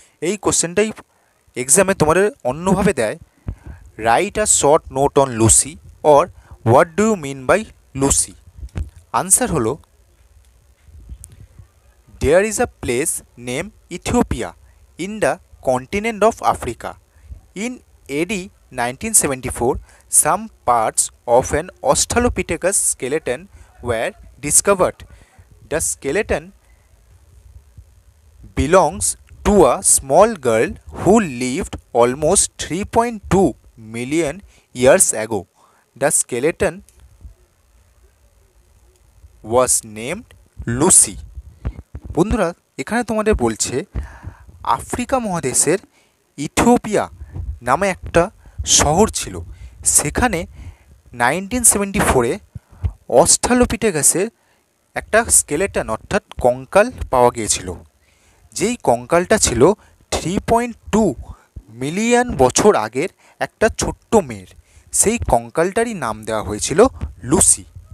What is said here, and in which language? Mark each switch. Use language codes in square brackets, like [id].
[bn] এই কোয়েশ্চেনটাই এক্সামে তোমাদের অন্যভাবে দেয়, [en] Write a short note on Lucy or what do you mean by Lucy. Answer হলো, there is a place name Ethiopia in the continent of Africa, in AD 1974, some parts of an Australopithecus skeleton were discovered. The skeleton belongs to a small girl who lived almost 3.2 million years ago. The skeleton was named Lucy. [bn] বন্ধুরা, এখানে তোমাদের বলছে Africa মহাদেশের Ethiopia নামে একটা শহর ছিল, সেখানে 1974 অস্ট্রালোপিটেকাসের একটা স্কেলেটন অর্থাৎ কঙ্কাল পাওয়া গিয়েছিল, যেই কঙ্কালটা ছিল 3.2 মিলিয়ন বছর আগের একটা ছোট্ট মেয়ের, সেই কঙ্কালটারই নাম দেওয়া হয়েছিল লুসি।